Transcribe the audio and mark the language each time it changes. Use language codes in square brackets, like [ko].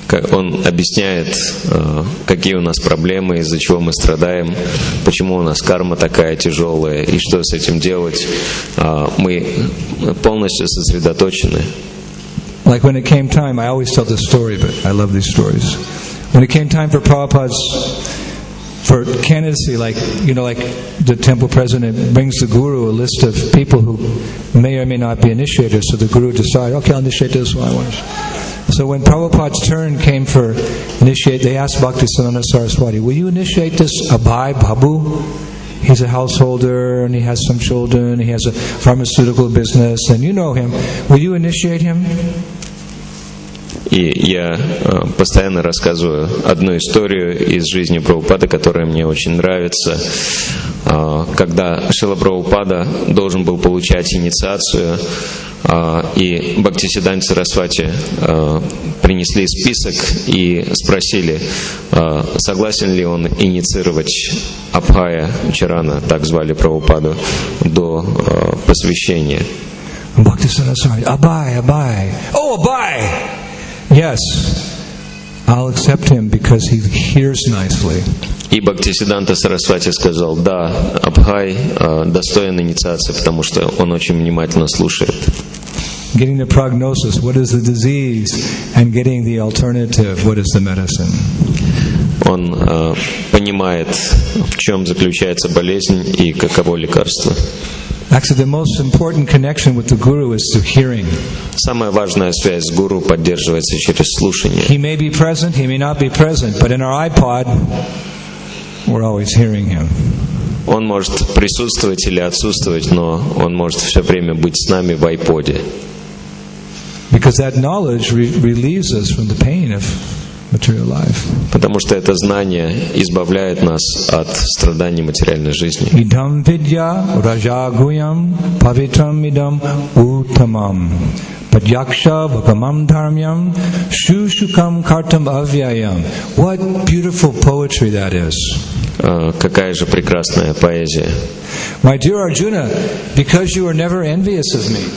[ru] он объясняет, какие у нас проблемы, из-за чего мы страдаем, почему у нас карма такая тяжелая и что с этим делать. Мы полностью сосредоточены. [en] Like when it came time, I always tell this story, but I love these stories. When it came time for Prabhupada's for candidacy, like, you know, like the temple president brings the guru a list of people who may or may not be initiated, so the guru decides, okay, I'll initiate this one I want. So when Prabhupada's turn came for initiate, they asked Bhaktisiddhanta Saraswati, will you initiate this Abhai Babu? He's a householder and he has some children, he has a pharmaceutical business, and you know him. Will you initiate him? [ru] И я постоянно рассказываю одну историю из жизни Прабхупады, которая мне очень нравится. Когда Шрила Прабхупада должен был получать инициацию, и Бхактисиддханта Сарасвати принесли список и спросили, согласен ли он инициировать Абхая Чарана, так звали Прабхупаду, до посвящения. Бхактисиддханта Сарасвати, Абхай, Абхай, о, Абхай! [en] Yes, I'll accept him because he hears nicely. [ru] И Бхактисиддханта Сарасвати сказал, да, Абхай достоин инициации, потому что он очень внимательно слушает. [en] Getting the prognosis, what is the disease, and getting the alternative, what is the medicine? [ru] Он понимает, в чем заключается болезнь и каково лекарство. [en] Actually, the most important connection with the guru is through hearing. [ru] Самая важная связь с гуру поддерживается через слушание. [en] He may be present, he may not be present, but in our iPod, we're always hearing him. [ru] Он может присутствовать или отсутствовать, но он может все время быть с нами в iPod'е. [en] Because that knowledge relieves us from the pain of material life. [ru] Потому что это знание избавляет нас от страданий материальной жизни. [sa] Идам видья ражагуям павитрам идам утамам падьякша вакамам дхармьям шушукам картам авьяям. [en] What beautiful poetry that is! [ru] Какая же прекрасная поэзия! [en] My dear Arjuna, because you are never envious of me,